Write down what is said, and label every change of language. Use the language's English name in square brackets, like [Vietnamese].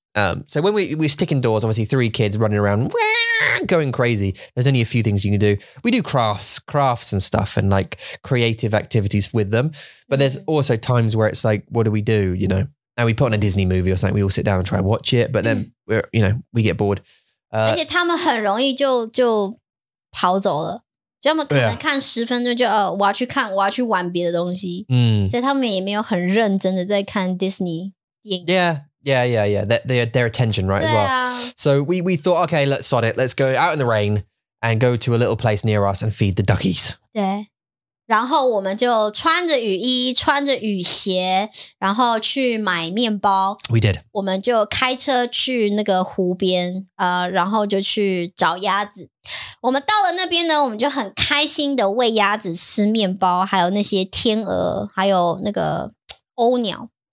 [English] So when we stick indoors, obviously three kids running around going crazy. There's only a few things you can do. We do crafts and stuff and like creative activities with them. But there's also times where it's like, what do we do? You know, and we put on a Disney movie or something. We all sit down and try and watch it, but then we get bored. [Chinese] 而且他们很容易就跑走了，就他们可能看十分钟就我要去玩别的东西，所以他们也没有很认真的在看 Disney 电影。 [English] Yeah. Their attention, right? [Chinese] 对啊。 [English] As well. So we thought, okay, let's sod it. Let's go out in the rain and go to a little place near us and feed the duckies. [Chinese] 对。然后我们就穿着雨衣，穿着雨鞋，然后去买面包。 [English] We did. [Chinese] 我们就开车去那个湖边，然后就去找鸭子。我们到了那边呢，我们就很开心的喂鸭子吃面包，还有那些天鹅，还有那个鸥鸟。